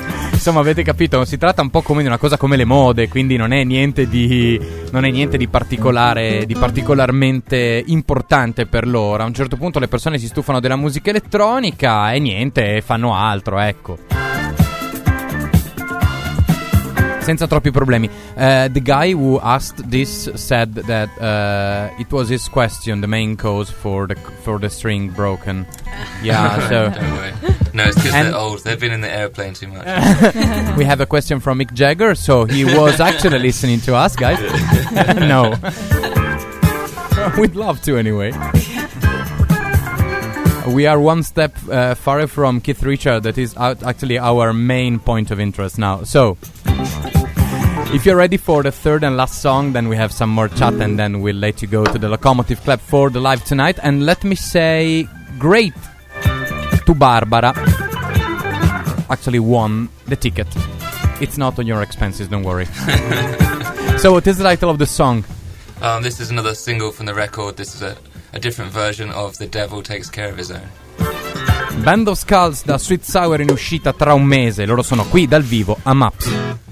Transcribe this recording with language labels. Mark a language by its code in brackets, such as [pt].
[it] Insomma, avete capito, si tratta un po' come di una cosa come le mode, quindi non è niente di particolarmente importante per loro. A un certo punto le persone si stufano della musica elettronica e niente, fanno altro, ecco. Senza troppi problemi. [en] The guy who asked this said that it was his question, the main cause for the string broken. Yeah, so... Don't worry. No, it's because they're old. They've been in the airplane too much. We have a question from Mick Jagger, so he was actually listening to us, guys. No. We'd love to, anyway. We are one step far from Keith Richards, that is actually our main point of interest now. So... If you're ready for the third and last song, then we have some more chat and then we'll let you go to the Locomotive Club for the live tonight. And let me say great to Barbara. Actually won the ticket. It's not on your expenses, don't worry. So what is the title of the song? This is another single from the record. This is a different version of The Devil Takes Care of His Own. [it] Band of Skulls da Sweet Sour in uscita tra un mese. Loro sono qui dal vivo a MAPS.